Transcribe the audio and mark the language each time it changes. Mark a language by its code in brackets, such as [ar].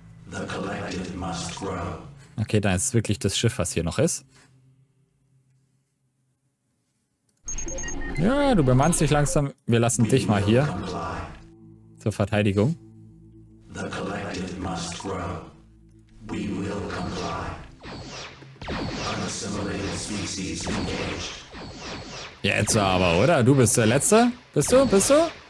[en] The collected must grow. [de] Okay, dann ist es wirklich das Schiff, was hier noch ist. Ja, du bemannst dich langsam. Wir lassen dich mal hier. Zur Verteidigung. [en] The collected must grow. We will comply. Unassimilated species engaged. [de] Jetzt aber, oder? Du bist der Letzte. Bist du? Bist du?